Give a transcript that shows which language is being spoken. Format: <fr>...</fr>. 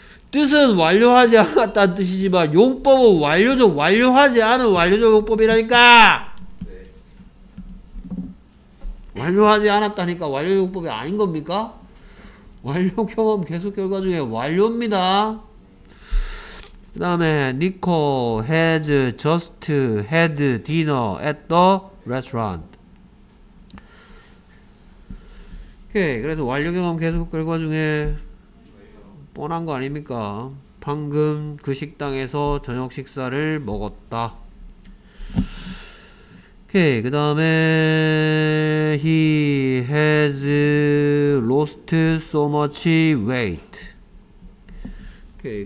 <ko>뜻은 완료하지 않았다는 뜻이지만 용법은 완료적 완료하지 않은 완료적 용법이라니까! 완료하지 않았다니까 완료용법이 아닌 겁니까? 완료 경험 계속 결과 중에 완료입니다. 그 다음에 니코</ko> <en>has just had dinner at the restaurant.</en> <ko>오케이. 그래서 완료 경험 계속 결과 중에 뻔한 거 아닙니까? 방금 그 식당에서 저녁 식사를 먹었다. 오케이. 그 다음에</ko> <en>he has lost so much weight.</en> <ko>오케이.</ko>